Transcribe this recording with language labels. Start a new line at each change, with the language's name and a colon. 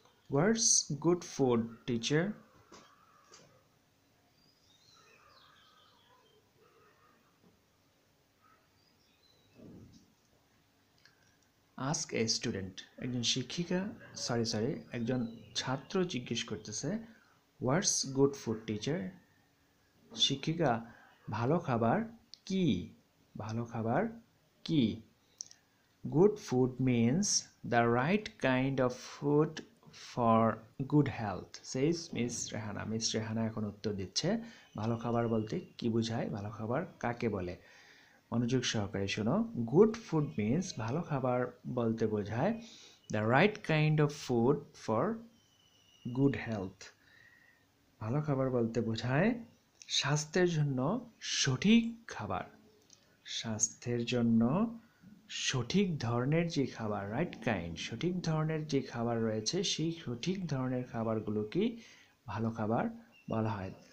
English: what's good food teacher, ask a student,
Bangla: একজন শিক্ষিকা, sorry একজন ছাত্র জিজ্ঞেস করতেছে,
English: what's good food teacher,
Bangla: শিক্ষিকা ভালো খাবার কি, ভালো খাবার কি।
English: Good food means the right kind of food for good health, says Miss Rehana.
Bangla: Miss Rehana এখন উত্তর দিচ্ছে, ভালো খাবার বলতে কি বুঝায়, ভালো খাবার কাকে বলে? মনোযোগ সহকারে শোনো,
English: good food means
Bangla: ভালো খাবার বলতে বোঝায়
English: the right kind of food for good health.
Bangla: ভালো খাবার বলতে বোঝায় স্বাস্থ্যের জন্য সঠিক খাবার, স্বাস্থ্যের জন্য সঠিক ধরনের যে খাবার, রাইট কাইন্ড, সঠিক ধরনের যে খাবার রয়েছে সেই সঠিক ধরনের খাবারগুলোকে ভালো খাবার বলা হয়।